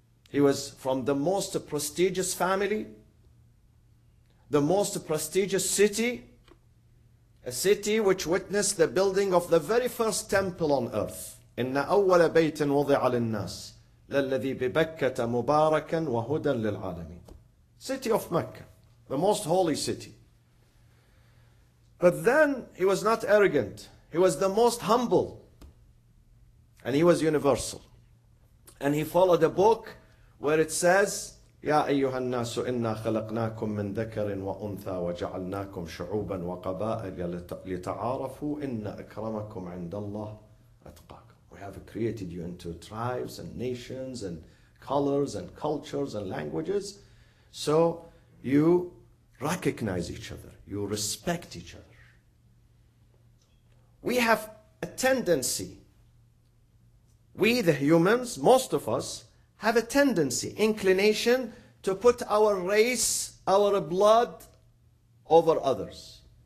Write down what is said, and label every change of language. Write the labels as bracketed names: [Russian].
[English] He was from the most prestigious family, the most prestigious city, a city which witnessed the building of the very first temple on earth. [Arabic] إِنَّ أَوَّلَ بَيْتٍ وُضِعَ لِلنَّاسِ لَلَّذِي بِبَكَّةَ مُبَارَكًا وَهُدًى لِلْعَالَمِينَ. [English] City of Mecca, the most holy city. But then he was not arrogant. He was the most humble. And he was universal. And he followed a book where it says, [Arabic] يَا أَيُّهَا النَّاسُ إِنَّا خَلَقْنَاكُمْ مِنْ ذَكَرٍ وَأُنْثَى وَجَعَلْنَاكُمْ شُعُوبًا وَقَبَائِلَ لِتَعَارَفُوا إِنَّ أَكْرَمَكُمْ عِنْدَ اللَّهِ أَتْقَاكُمْ. [English] We have created you into tribes and nations and colors and cultures and languages. So you recognize each other. You respect each other. We have a tendency, We the humans, most of us, have a tendency, inclination to put our race, our blood over others.